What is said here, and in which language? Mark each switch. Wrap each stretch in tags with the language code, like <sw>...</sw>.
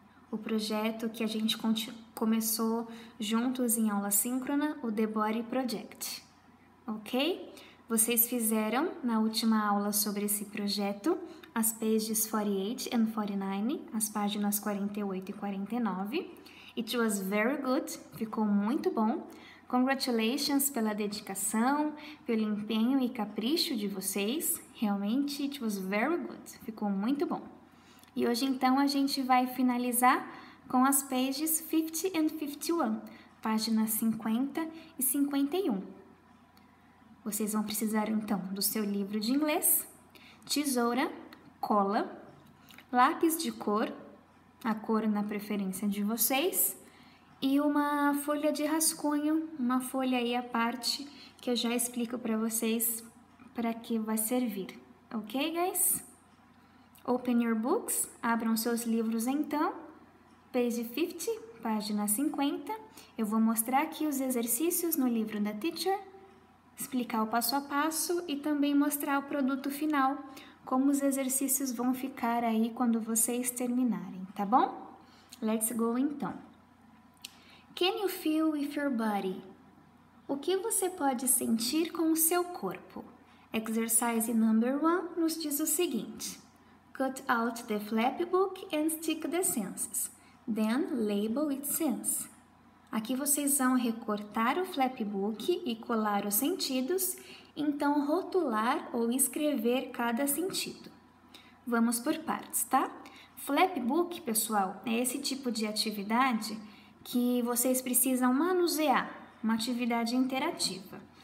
<pt>O projeto que a gente começou juntos em aula síncrona, o The Body Project, ok? Vocês fizeram na última aula sobre esse projeto as</pt> <en>pages 48 and 49,</en> <pt>as páginas 48 e 49.</pt> <en>It was very good,</en> <pt>ficou muito bom. Congratulations pela dedicação, pelo empenho e capricho de vocês. Realmente,</pt> <en>it was very good,</en> <pt>ficou muito bom. E hoje então a gente vai finalizar com as</pt> <en>pages 50 and 51,</en> <pt>páginas 50 e 51. Vocês vão precisar então do seu livro de inglês, tesoura, cola, lápis de cor, a cor na preferência de vocês, e uma folha de rascunho, uma folha aí à parte, que eu já explico para vocês para que vai servir.</pt> <en>Ok, guys? Open your books,</en> <pt>abram seus livros então.</pt> <en>Page 50,</en> <pt>página 50. Eu vou mostrar aqui os exercícios no livro da teacher, explicar o passo a passo e também mostrar o produto final, como os exercícios vão ficar aí quando vocês terminarem, tá bom?</pt> <en>Let's go então. Can you feel with your body?</en> <pt>O que você pode sentir com o seu corpo? Exercise number 1 nos diz o seguinte.</pt> <en>Cut out the flap book and stick the senses. Then, label its sense.</en> <pt>Aqui vocês vão recortar o flapbook e colar os sentidos, então rotular ou escrever cada sentido. Vamos por partes, tá? Flapbook, pessoal, é esse tipo de atividade que vocês precisam manusear, uma atividade interativa.</pt>